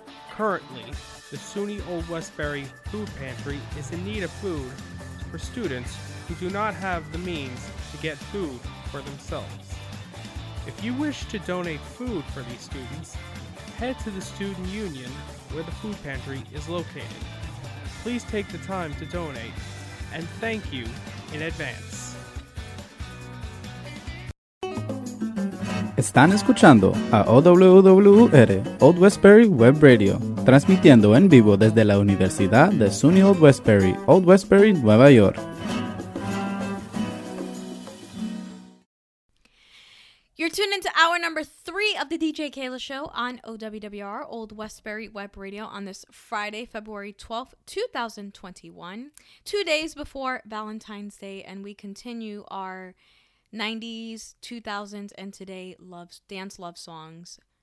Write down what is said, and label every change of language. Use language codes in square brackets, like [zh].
[en] Currently, the SUNY Old Westbury Food Pantry is in need of food for students who do not have the means to get food for themselves. If you wish to donate food for these students, head to the Student Union where the food pantry is located. Please take the time to donate, and thank you in advance. [es] Están escuchando a OWWR Old Westbury Web Radio, transmitiendo en vivo desde la Universidad de SUNY Old Westbury, Nueva York. [en] You're tuned into hour number 3 of the DJ Keila Show on OWWR Old Westbury Web Radio on this Friday, February 12th, 2021, 2 days before Valentine's Day, and we continue our 90s, 2000s, and today dance love songs.